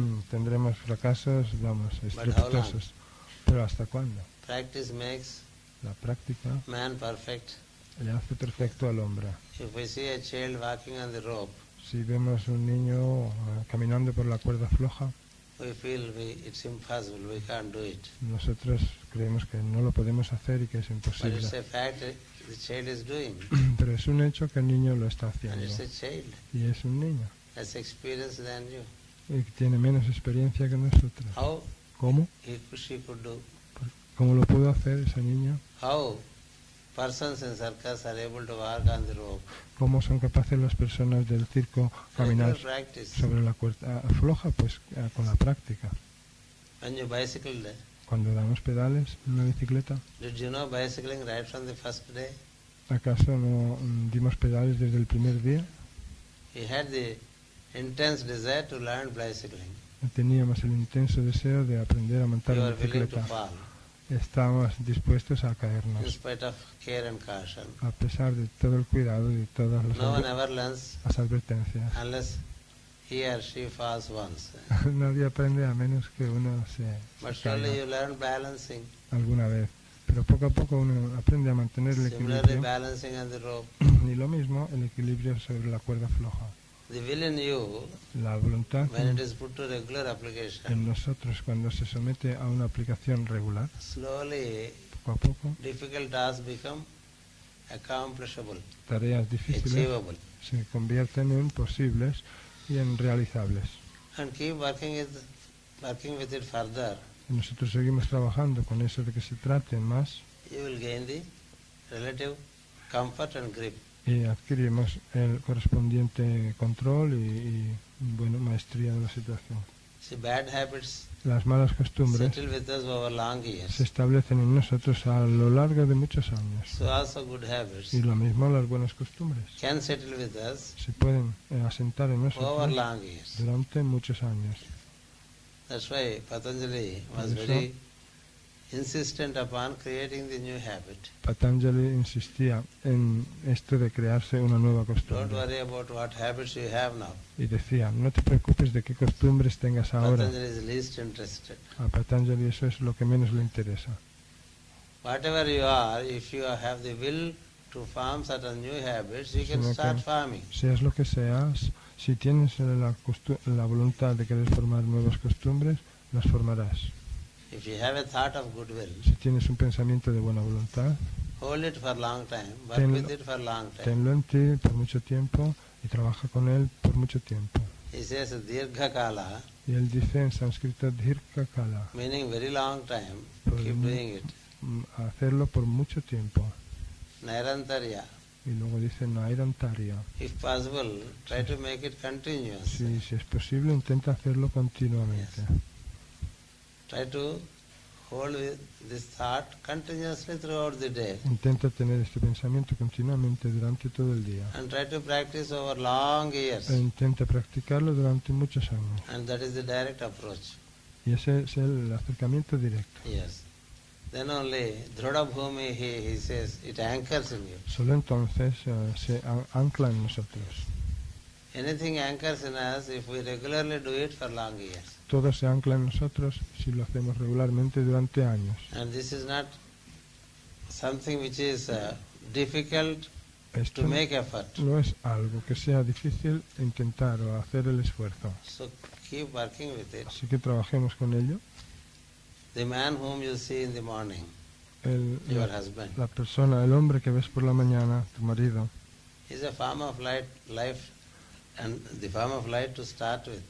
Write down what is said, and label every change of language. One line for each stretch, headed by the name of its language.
Spanish: Tendremos fracasos, vamos, estrepitosos. Pero ¿hasta cuándo?
English: Practice makes
Spanish: la práctica
English: man perfect.
Spanish: Le hace perfecto al hombre.
English: If we see a child walking on the rope,
Spanish: si vemos un niño caminando por la cuerda floja,
English: we feel it's impossible, we can't do it.
Spanish: Nosotros creemos que no lo podemos hacer y que es imposible.
English: But it's a fact the child is doing.
Spanish: Pero es un hecho que el niño lo está haciendo.
English: And it's a child.
Spanish: Y es un niño.
English: Has experience than you.
Spanish: Y tiene menos experiencia que nosotros.
English: How?
Spanish: ¿Cómo?
English: He or she could do.
Spanish: ¿Cómo lo pudo hacer esa niña?
English: How? Persons in circus are able to walk on the rope.
Spanish: ¿Cómo son capaces las personas del circo caminar sobre la cuerda floja? Pues con la práctica.
English: When you bicycled,
Spanish: cuando damos pedales en la bicicleta.
English: Did you know bicycling right from the first day?
Spanish: ¿Acaso no dimos pedales desde el primer día?
English: He had the intense desire to learn bicycling.
Spanish: Teníamos el intenso deseo de aprender a montar
English: you
Spanish: la bicicleta.
English: Were willing to fall.
Spanish: Estamos dispuestos a caernos.
English: In spite of care and caution.
Spanish: A pesar de todo el cuidado y de todas las,
English: no one ever learns
Spanish: las advertencias.
English: Unless he or she falls once.
Spanish: Nadie aprende a menos que uno se caiga alguna vez. Pero poco a poco uno aprende a mantener el equilibrio.
English: Similarly, balancing on the rope.
Spanish: Y lo mismo, el equilibrio sobre la cuerda floja.
English: The will in you,
Spanish: la voluntad,
English: when it is put to regular application,
Spanish: en nosotros cuando se somete a una aplicación regular,
English: slowly,
Spanish: poco a poco,
English: difficult tasks become accomplishable,
Spanish: tareas difíciles,
English: achievable,
Spanish: se convierten en posibles y en realizables.
English: And keep working with it further.
Spanish: Y nosotros seguimos trabajando con eso de que se trate más.
English: You will gain the relative comfort and grip.
Spanish: Y adquirimos el correspondiente control y bueno, maestría de la situación.
English: See, bad habits,
Spanish: las malas costumbres
English: settle with us over long years.
Spanish: Se establecen en nosotros a lo largo de muchos años.
English: So also good habits,
Spanish: y lo mismo las buenas costumbres
English: can settle with us,
Spanish: se pueden asentar en nosotros
English: over long years.
Spanish: Durante muchos años.
English: That's why Patanjali was very insistent upon creating the new habit.
Spanish: Patanjali insistía en esto de crearse una nueva costumbre.
English: Don't worry about what habits you have now.
Spanish: Y decía, no te preocupes de qué costumbres tengas ahora.
English: Patanjali is least interested.
Spanish: A Patanjali eso es lo que menos le interesa.
English: Whatever you are, if you have the will to form certain new habits, you can start farming.
Spanish: Seas lo que seas, si tienes la voluntad de querer formar nuevas costumbres, las formarás.
English: If you have a thought of goodwill,
Spanish: si tienes un pensamiento de buena voluntad,
English: hold it for long time, work
Spanish: tenlo,
English: with it for long time.
Spanish: Tenlo en ti por mucho tiempo y trabaja con él por mucho tiempo.
English: He says dirgha kala.
Spanish: Y él dice en sánscrito dirgha kala.
English: Meaning very long time. Pues keep doing it.
Spanish: Hacerlo por mucho tiempo.
English: Nairantarya.
Spanish: Y luego dice nairantarya.
English: If possible, try to make it continuous.
Spanish: Si, si es posible, intenta hacerlo continuamente.
English: Yes. Try to hold this thought continuously throughout the day.
Spanish: Intenta tener este pensamiento continuamente durante todo el día.
English: And try to practice over long years.
Spanish: E intenta practicarlo durante muchos años.
English: And that is the direct approach.
Spanish: Y ese es el acercamiento directo.
English: Yes. Then only dhruda bhumi, he says, it anchors in you.
Spanish: Solo entonces se ancla en nosotros.
English: Anything anchors in us if we regularly do it for long years.
Spanish: Todo se ancla en nosotros si lo hacemos regularmente durante años.
English: And this is not something which is difficult
Spanish: esto
English: to make effort.
Spanish: No es algo que sea difícil intentar o hacer el esfuerzo.
English: So keep working with it.
Spanish: Así que trabajemos con ello.
English: The man whom you see in the morning, your husband.
Spanish: La persona, el hombre que ves por la mañana, tu marido.
English: He's a form of light, life. And the form of light to start with.